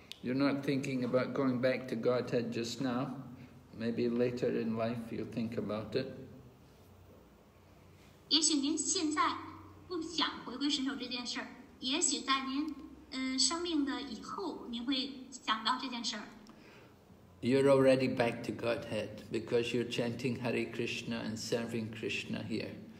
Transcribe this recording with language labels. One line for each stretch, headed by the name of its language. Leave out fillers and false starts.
English: You're not thinking about going back to Godhead just now. Maybe later in life you'll think about it.
Chinese: 也许您现在不想回归神手这件事，也许在您。
English: You're already back to Godhead because you're chanting Hare Krishna and serving Krishna here.